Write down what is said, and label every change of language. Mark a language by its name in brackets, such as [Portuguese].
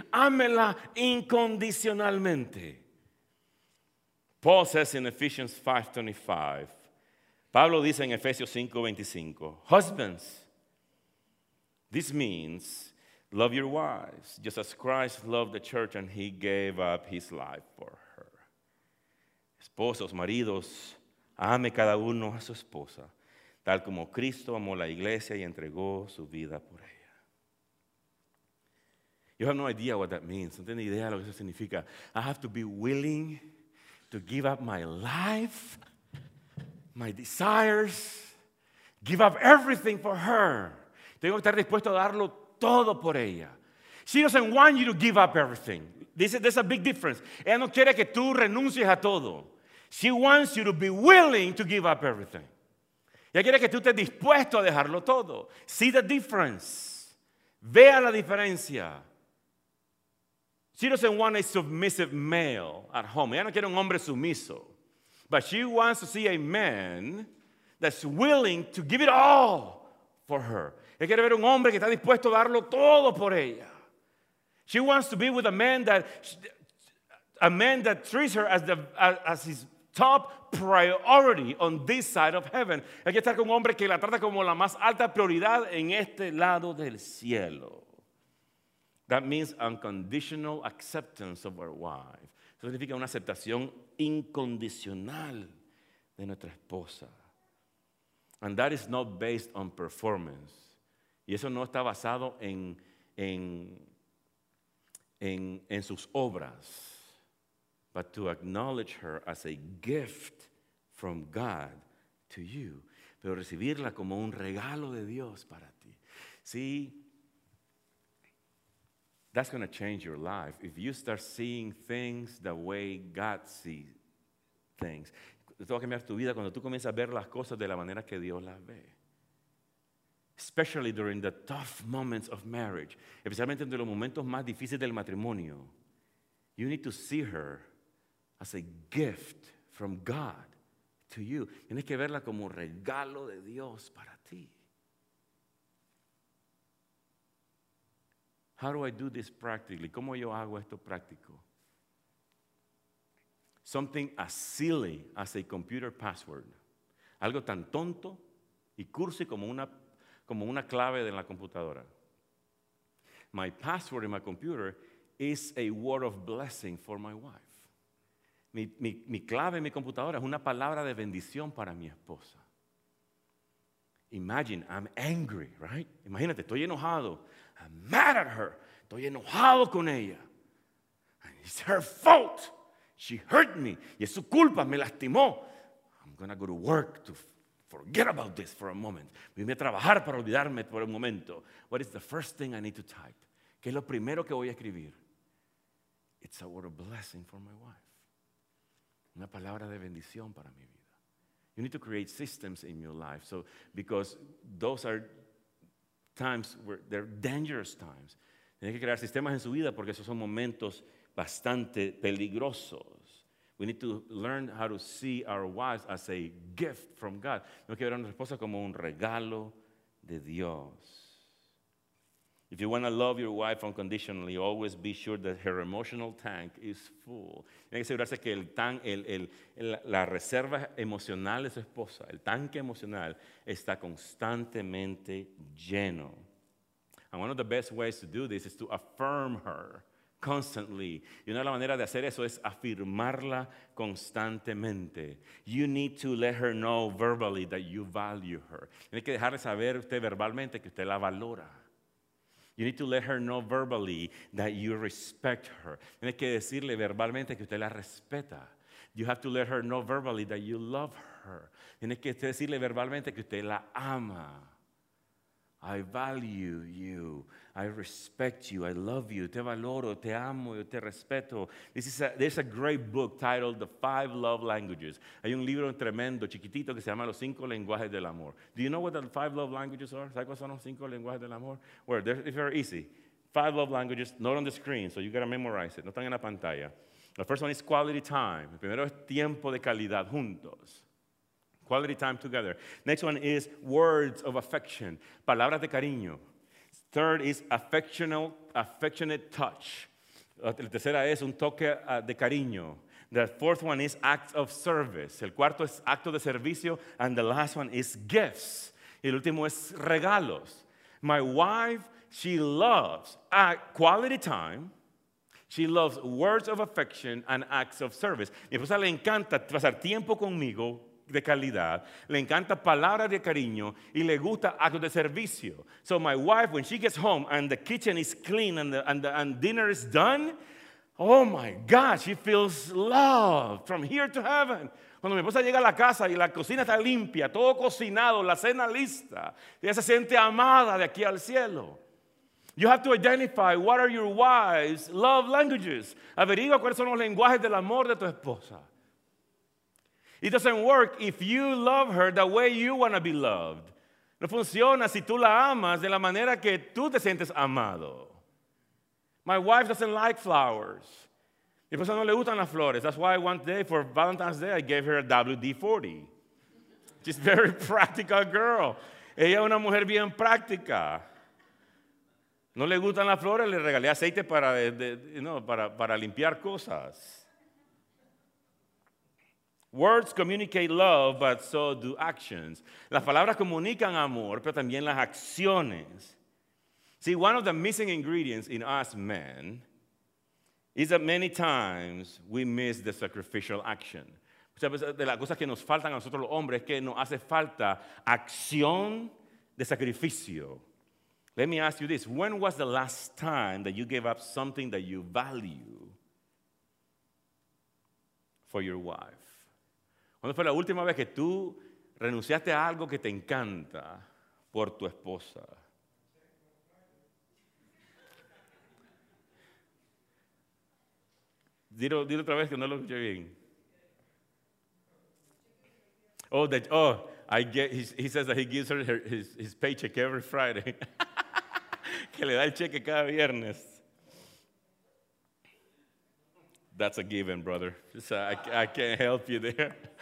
[Spanish] Ámela incondicionalmente. [English] Paul says in Ephesians 5:25. [Spanish] Pablo dice en Efesios 5:25. [English] Husbands, this means love your wives, just as Christ loved the church and he gave up his life for her. [Spanish] Esposos, maridos, ame cada uno a su esposa, tal como Cristo amó la iglesia y entregó su vida por ella. [English] You have no idea what that means. [Spanish] No tiene idea lo que eso significa. [English] I have to be willing to give up my life, my desires, give up everything for her. [Spanish] Tengo que estar dispuesto a darlo todo por ella. [English] She doesn't want you to give up everything. There's a big difference. [Spanish] Ella no quiere que tú renuncies a todo. [English] She wants you to be willing to give up everything. [Spanish] Ella quiere que tú estés dispuesto a dejarlo todo. [English] See the difference. [Spanish] Vea la diferencia. [English] She doesn't want a submissive male at home. [Spanish] Ella no quiere un hombre sumiso. [English] But she wants to see a man that's willing to give it all for her. [Spanish] Ella quiere ver un hombre que está dispuesto a darlo todo por ella. [English] She wants to be with a man that treats her as his top priority on this side of heaven. [Spanish] Ella quiere estar con un hombre que la trata como la más alta prioridad en este lado del cielo. [English] That means unconditional acceptance of our wife. [Spanish] Eso significa una aceptación incondicional de nuestra esposa. [English] And that is not based on performance. [Spanish] Y eso no está basado en sus obras. [English] But to acknowledge her as a gift from God to you. [Spanish] Pero recibirla como un regalo de Dios para ti. [English] See, that's going to change your life. If you start seeing things the way God sees things. [Spanish] Esto va a cambiar tu vida cuando tú comienzas a ver las cosas de la manera que Dios las ve. [English] Especially during the tough moments of marriage. [Spanish] Especialmente entre los momentos más difíciles del matrimonio. [English] You need to see her as a gift from God to you. [Spanish] Tienes que verla como regalo de Dios para ti. [English] How do I do this practically? [Spanish] ¿Cómo yo hago esto práctico? [English] Something as silly as a computer password. [Spanish] Algo tan tonto y cursi como una clave de la computadora. [English] My password in my computer is a word of blessing for my wife. [Spanish] Mi clave en mi computadora es una palabra de bendición para mi esposa. [English] Imagine, I'm angry, right? [Spanish] Imagínate, estoy enojado. [English] I'm mad at her. [Spanish] Estoy enojado con ella. [English] And it's her fault. She hurt me. [Spanish] Y es su culpa, me lastimó. [English] I'm going to go to work to forget about this for a moment. [Spanish] Voy a trabajar para olvidarme por un momento. [English] What is the first thing I need to type? [Spanish] ¿Qué es lo primero que voy a escribir? [English] It's a word of blessing for my wife. [Spanish] Una palabra de bendición para mi vida. [English] You need to create systems in your life. So, because those are times where they're dangerous times. [Spanish] Tienes que crear sistemas en su vida porque esos son momentos bastante peligrosos. [English] We need to learn how to see our wives as a gift from God. [Spanish] No quiero ver a nuestra esposa como un regalo de Dios. [English] If you want to love your wife unconditionally, always be sure that her emotional tank is full. [Spanish] Tiene que asegurarse que la reserva emocional de su esposa, el tanque emocional, está constantemente lleno. [English] And one of the best ways to do this is to affirm her constantly. [Spanish] Y una de las maneras de hacer eso es afirmarla constantemente. [English] You need to let her know verbally that you value her. [Spanish] Tiene que dejarle saber usted verbalmente que usted la valora. [English] You need to let her know verbally that you respect her. [Spanish] Tiene que decirle verbalmente que usted la respeta. [English] You have to let her know verbally that you love her. [Spanish] Tiene que decirle verbalmente que usted la ama. [English] I value you. I respect you. I love you. [Spanish] Te valoro, te amo, yo te respeto. [English] There's a great book titled The Five Love Languages. [Spanish] Hay un libro tremendo, chiquitito, que se llama Los Cinco Lenguajes del Amor. [English] Do you know what the five love languages are? [Spanish] ¿Sabes cuáles son los cinco lenguajes del amor? [English] Well, they're very easy. Five love languages, not on the screen, so you got to memorize it. [Spanish] No están en la pantalla. [English] The first one is quality time. [Spanish] El primero es tiempo de calidad juntos. [English] Quality time together. Next one is words of affection, [Spanish] palabras de cariño. [English] Third is affectionate touch. [Spanish] La tercera es un toque de cariño. [English] The fourth one is acts of service. [Spanish] El cuarto es acto de servicio. [English] And the last one is gifts. [Spanish] Y el último es regalos. [English] My wife, she loves quality time. She loves words of affection and acts of service. [Spanish] Mi esposa le encanta pasar tiempo conmigo de calidad. Le encanta palabras de cariño y le gusta actos de servicio. [English] So my wife, when she gets home and the kitchen is clean and dinner is done, oh my God, she feels love from here to heaven. [Spanish] Cuando mi esposa llega a la casa y la cocina está limpia, todo cocinado, la cena lista, ella se siente amada de aquí al cielo. [English] You have to identify what are your wife's love languages. [Spanish] Averigua cuáles son los lenguajes del amor de tu esposa. [English] It doesn't work if you love her the way you want to be loved. [Spanish] No funciona si tú la amas de la manera que tú te sientes amado. [English] My wife doesn't like flowers. [Spanish] Mi esposa no le gustan las flores. [English] That's why one day for Valentine's Day I gave her a WD-40. She's a very practical girl. [Spanish] Ella es una mujer bien práctica. No le gustan las flores, le regalé aceite para limpiar cosas. [English] Words communicate love, but so do actions. [Spanish] Las palabras comunican amor, pero también las acciones. [English] See, one of the missing ingredients in us men is that many times we miss the sacrificial action. [Spanish] Muchas veces de las cosas que nos faltan a nosotros los hombres es que nos hace falta acción de sacrificio. [English] Let me ask you this. When was the last time that you gave up something that you value for your wife? [Spanish] ¿Cuándo fue la última vez que tú renunciaste a algo que te encanta por tu esposa? Dilo otra vez que no lo escuché bien. [English] He says that he gives her his paycheck every Friday. [Spanish] Que le da el cheque cada viernes. [English] That's a given, brother. I can't help you there.